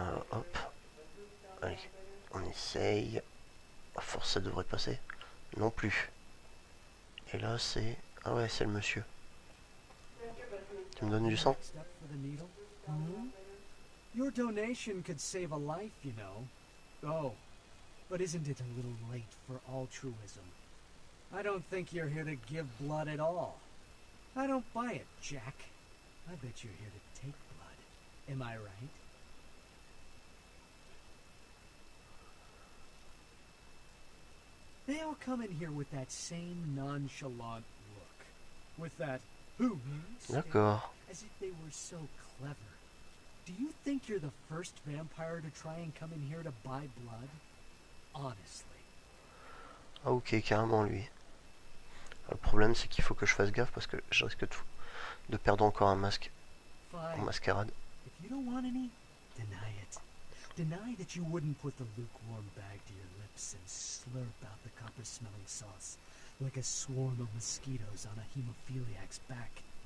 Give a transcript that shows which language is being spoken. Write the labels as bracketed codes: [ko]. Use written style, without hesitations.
[fr] Hop, allez, on essaye. À force, ça devrait passer. Non plus. Et là, c'est. Ah ouais, c'est le monsieur. Tu me donnes du sang? [en] Your donation could save a life, you know. Oh, but isn't it a little late for altruism? I don't think you're here to give blood at all. I don't buy it, Jack. I bet you're here to take blood. Am I right? They all come in here with that same nonchalant look. With that who [fr] D'accord. [en] As if they were so clever. Do you think you're the first vampire to try and come in here to buy blood? Honestly. [fr] Ok, carrément lui. Le problème c'est qu'il faut que je fasse gaffe parce que je risque de perdre encore un masque en mascarade. [en] If you don't want any, deny it. Deny that you wouldn't put the lukewarm bag to your lips and slurp out the copper-smelling sauce like a swarm of mosquitoes on a hemophiliac's back.